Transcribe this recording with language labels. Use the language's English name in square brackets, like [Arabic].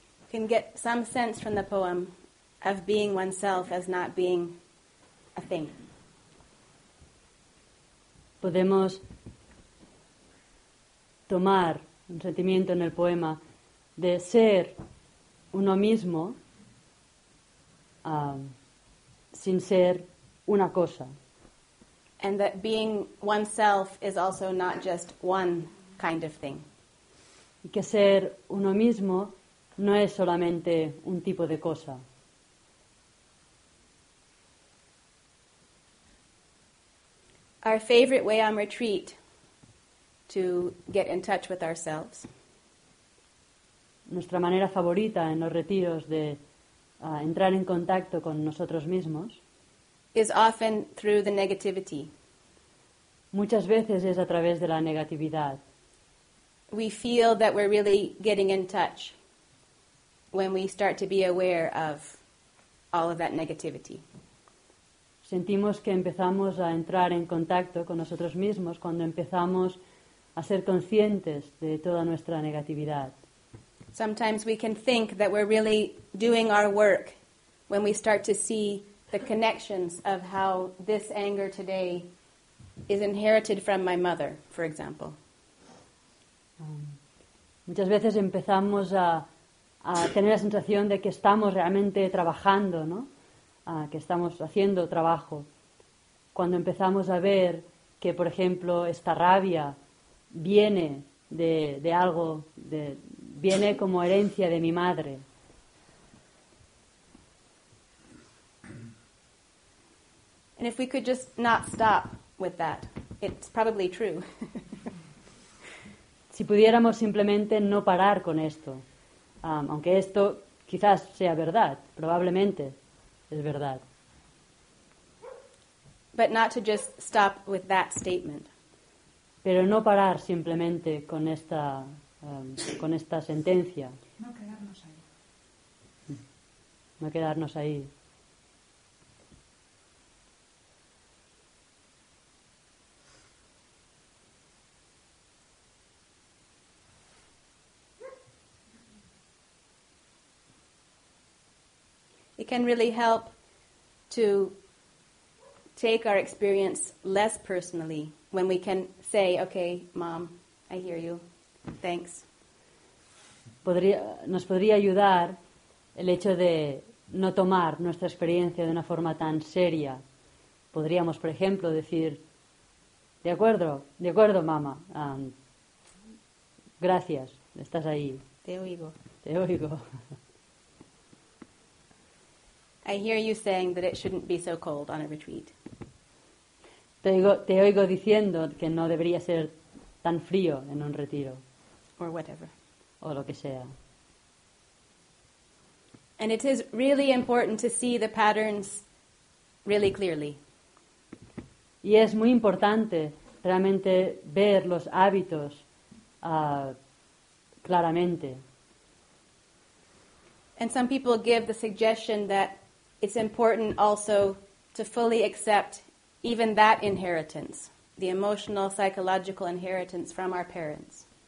[English] Can get some sense from the poem of being oneself as not being a thing. [Spanish] Podemos tomar un sentimiento en el poema de ser uno mismo sin ser una cosa. [English] And that being oneself is also not just one kind of thing. [Spanish] Y que ser uno mismo no es solamente un tipo de cosa. [English] Our favorite way on retreat to get in touch with ourselves. [Spanish] Nuestra manera favorita en los retiros de entrar en contacto con nosotros mismos [English] is often through the negativity. [Spanish] Muchas veces es a través de la negatividad. [English] We feel that we're really getting in touch when we start to be aware of all of that negativity. [Spanish] Sentimos que empezamos a entrar en contacto con nosotros mismos cuando empezamos a ser conscientes de toda nuestra negatividad. [English] Sometimes we can think that we're really doing our work when we start to see the connections of how this anger today is inherited from my mother, for example. [Spanish] Muchas veces empezamos a tener la sensación de que estamos realmente trabajando, ¿no? Que estamos haciendo trabajo. Cuando empezamos a ver que, por ejemplo, esta rabia viene de algo, viene como herencia de mi madre. [English] And if we could just not stop with that, it's probably true. [Spanish] Si pudiéramos simplemente no parar con esto, aunque esto quizás sea verdad, probablemente es verdad. [English] But not to just stop with that statement. [Spanish] Pero no parar simplemente con esta con esta sentencia. No quedarnos ahí. No quedarnos ahí. [English] It can really help to take our experience less personally when we can say, okay, Mom, I hear you. Thanks. [Spanish] Nos podría ayudar el hecho de no tomar nuestra experiencia de una forma tan seria. Podríamos, por ejemplo, decir, de acuerdo, mamá. Gracias, estás ahí. Te oigo. Te oigo. [English] I hear you saying that it shouldn't be so cold on a retreat. [Spanish] Te oigo diciendo que no debería ser tan frío en un retiro. [English] Or whatever. [Spanish] O lo que sea. [English] And it is really important to see the patterns really clearly. [Spanish] Y es muy importante realmente ver los hábitos claramente. [English] And some people give the suggestion that it's important also to fully accept even that inheritance, the emotional, psychological inheritance from our parents.